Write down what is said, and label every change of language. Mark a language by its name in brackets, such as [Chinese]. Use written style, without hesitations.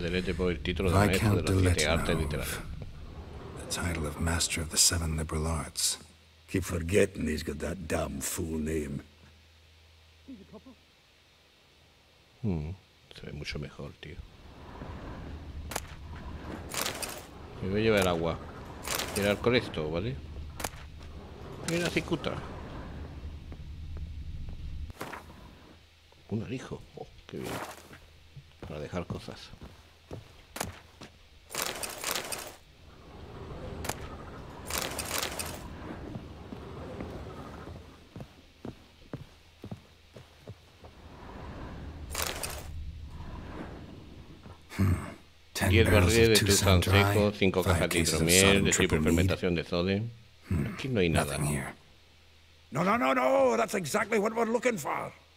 [Spanish] de Letterboy el título de maestro de las siete artes literarias. [English] The title of Master of the Seven Liberal Arts. Keep forgetting he's got that damn full name. [Spanish] Se ve mucho mejor, tío. Me voy a llevar agua. Tirar con esto, ¿vale? Mira, cicuta. Un alijo, oh, qué bien. Para dejar cosas. Diez barriles de tuzán seco, cinco cajas de hidromiel, de triple fermentación de sodio. Aquí no hay nada. [English] No, no, no, no, that's exactly what we're looking for.